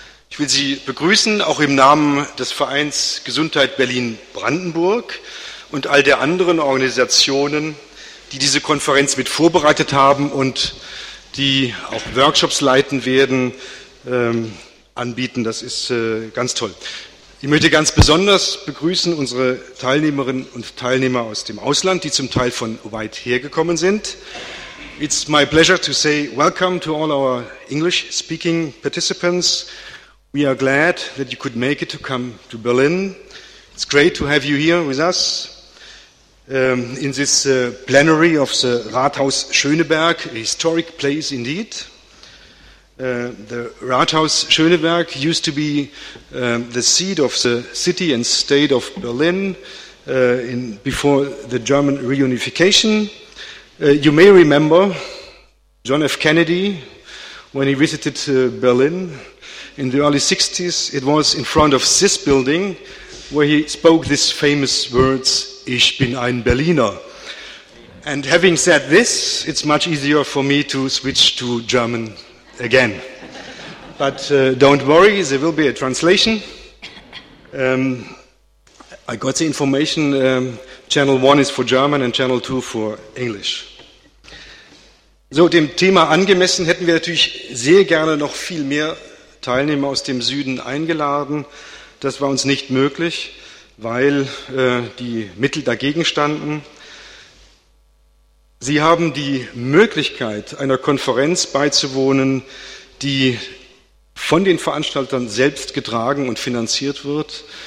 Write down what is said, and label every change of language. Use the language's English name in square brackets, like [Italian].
[German] Ich will Sie begrüßen, auch im Namen des Vereins Gesundheit Berlin-Brandenburg und all der anderen Organisationen, die diese Konferenz mit vorbereitet haben und die auch Workshops leiten werden, anbieten. Das ist ganz toll. Ich möchte ganz besonders begrüßen unsere Teilnehmerinnen und Teilnehmer aus dem Ausland, die zum Teil von weit her gekommen sind. [English] It's my pleasure to say welcome to all our English-speaking participants. We are glad that you could make it to come to Berlin. It's great to have you here with us in this plenary of the Rathaus Schöneberg, a historic place indeed. The Rathaus Schöneberg used to be the seat of the city and state of Berlin before the German reunification. You may remember John F. Kennedy when he visited Berlin in the early 60s. It was in front of this building where he spoke these famous words, [German] "Ich bin ein Berliner." [English] And having said this, it's much easier for me to switch to German again. But don't worry, there will be a translation. I got the information, Channel 1 is for German and Channel 2 for English. [German] So, dem Thema angemessen hätten wir natürlich sehr gerne noch viel mehr Teilnehmer aus dem Süden eingeladen. Das war uns nicht möglich, weil die Mittel dagegen standen. Sie haben die Möglichkeit, einer Konferenz beizuwohnen, die von den Veranstaltern selbst getragen und finanziert wird.